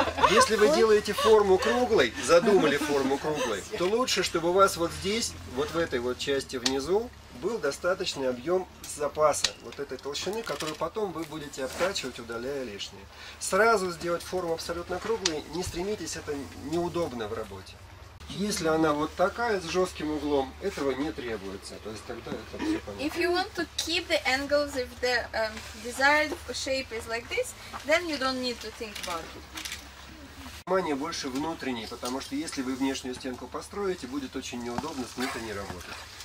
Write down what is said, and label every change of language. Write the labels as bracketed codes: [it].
[ru] Если вы делаете форму круглой, задумали форму круглой, то лучше, чтобы у вас вот здесь, вот в этой вот части внизу, был достаточный объем запаса вот этой толщины, которую потом вы будете обтачивать, удаляя лишнее. Сразу сделать форму абсолютно круглой, не стремитесь, это неудобно в работе. Если она вот такая с жестким углом, этого не требуется. То есть тогда это все понятно. [en] If you want to keep the angles, if the desired shape is like this, then you don't need to think about it. [ru] Внимание больше внутренней, потому что если вы внешнюю стенку построите, будет очень неудобно с ней-то не работать.